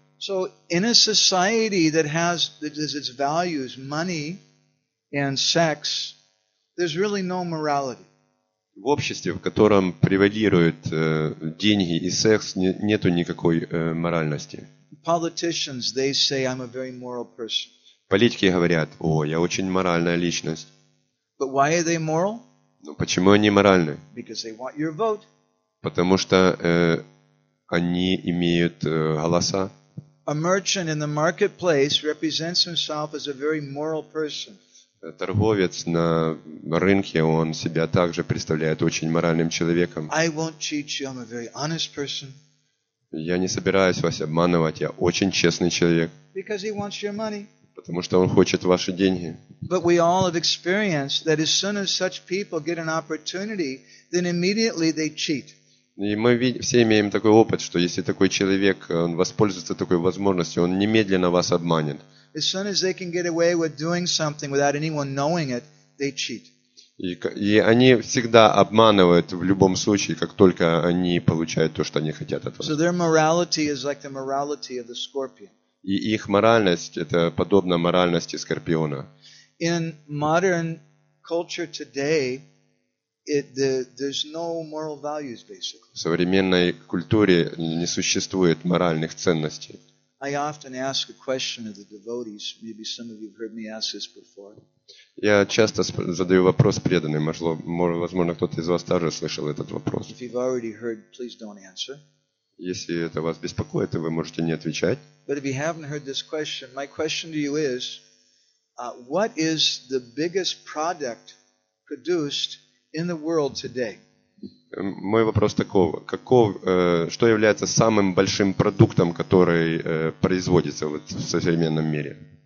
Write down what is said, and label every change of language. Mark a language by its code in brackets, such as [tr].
[en] So in a society that has its values, money and sex, there's really no morality. [ru] В обществе, в котором превалируют деньги и секс, нету никакой моральности. [en] Politicians, they say, I'm a very moral person. [ru] Политики говорят: о, я очень моральная личность. [en] But why are they moral? [ru] Но почему они моральны? [en] Because they want your vote. [ru] Потому что они имеют голоса. [en] A merchant in the marketplace represents himself as a very moral person. [ru] Торговец на рынке, он себя также представляет очень моральным человеком. [en] I won't cheat you, I'm a very honest person. [ru] Я не собираюсь вас обманывать, я очень честный человек. [en] Because he wants your money. [ru] Потому что он хочет ваши деньги. [en] But we all have experienced that as soon as such people get an opportunity, then immediately they cheat. [ru] И мы все имеем такой опыт, что если такой человек, он воспользуется такой возможностью, он немедленно вас обманет. [en] As soon as they can get away with doing something without anyone knowing it, they cheat. [ru] И они всегда обманывают в любом случае, как только они получают то, что они хотят от вас. [en] So their morality is like the morality of the scorpion. [ru] И их моральность, это подобно моральности скорпиона. [en] In modern culture today, there's no moral values, basically. [ru] В современной культуре не существует моральных ценностей. [en] I often ask a question of the devotees. Maybe some of you have heard me ask this before. [ru] Я часто задаю вопрос преданным. Возможно, кто-то из вас также слышал этот вопрос. [en] If you've already heard, please don't answer. [ru] Если это вас беспокоит, вы можете не отвечать. [en] But if you haven't heard this question, my question to you is, what is the biggest product produced in the world today? [ru] Мой вопрос такой: что является самым большим продуктом, который производится вот в современном мире?